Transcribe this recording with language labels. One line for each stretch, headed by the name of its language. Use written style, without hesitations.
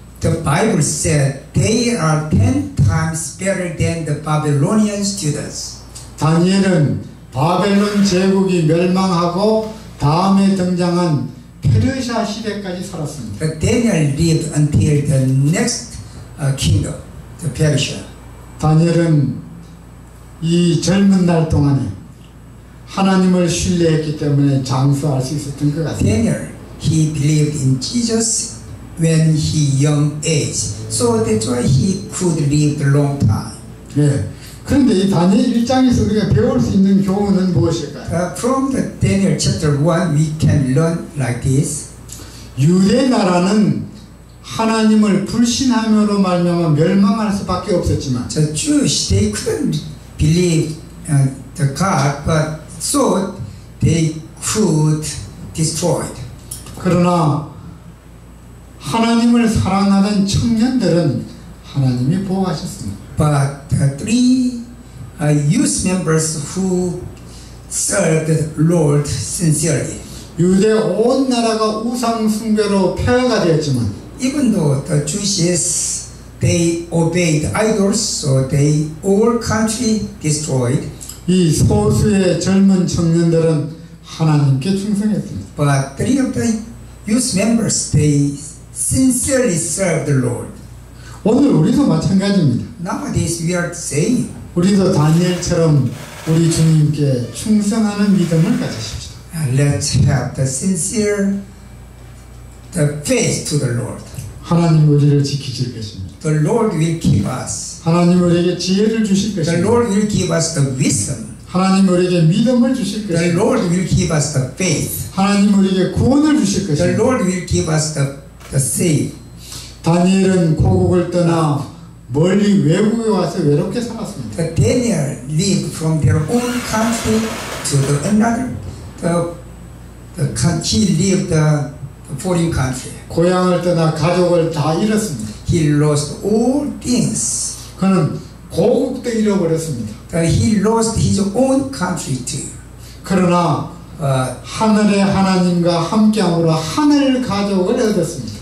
English: The Bible said they are 10 times better than the Babylonian students.
Korean: 다니엘은 바벨론 제국이 멸망하고 다음에 등장한 페르시아 시대까지 살았습니다.
English: But Daniel lived until the next kingdom, the Persia.
Korean: 다니엘은 이 젊은 날 동안에 하나님을 신뢰했기 때문에 장수할 수 있었던 것 같아요.
English: Daniel, he believed in Jesus when he young age, so that's why he could live long time.
Korean: 예. 그런데 이 다니엘 1장에서 우리가 배울 수 있는 교훈은 무엇일까요?
English: From the Daniel chapter 1, we can learn like this.
Korean: 유대 나라는 하나님을 불신함으로 말미암아 멸망할 수밖에 없었지만,
English: the Jews, they couldn't believe the God, but so they could destroy it.
Korean: 그러나 하나님을 사랑하는 청년들은 하나님이 보호하셨습니다.
English: But the three youth members who served the Lord sincerely.
Korean: 유대 온 나라가 우상 숭배로 폐허가 되었지만,
English: even though the Jews they obeyed idols, so they all country destroyed.
Korean: 이 소수의 젊은 청년들은 하나님께 충성했습니다.
English: But three of the youth members they sincerely served the Lord.
Korean: 오늘 우리도 마찬가지입니다.
English: Nowadays we are saying,
Korean: 우리도 다니엘처럼 우리 주님께 충성하는 믿음을 가지십시오.
English: Let's have the sincere the faith to the Lord.
Korean: 하나님 우리를 지키실 것입니다.
English: The Lord will keep us.
Korean: 하나님 우리에게 지혜를 주실 것입니다.
English: The Lord will give us the wisdom.
Korean: 하나님 우리에게 믿음을 주실 것입니다.
English: The Lord will give us the faith.
Korean: 하나님 우리에게 구원을 주실 것입니다.
English: The Lord will give us the save.
Korean: 다니엘은 고국을 떠나 멀리 외국에 와서 외롭게 살았습니다.
English: Daniel lived from their own country to the another. He lived the foreign country.
Korean: 고향을 떠나 가족을 다 잃었습니다.
English: He lost all things.
Korean: 그는 고국도 잃어버렸습니다.
English: He lost his own country too.
Korean: 그러나 하늘의 하나님과 함께함으로 하늘 가족을 얻었습니다.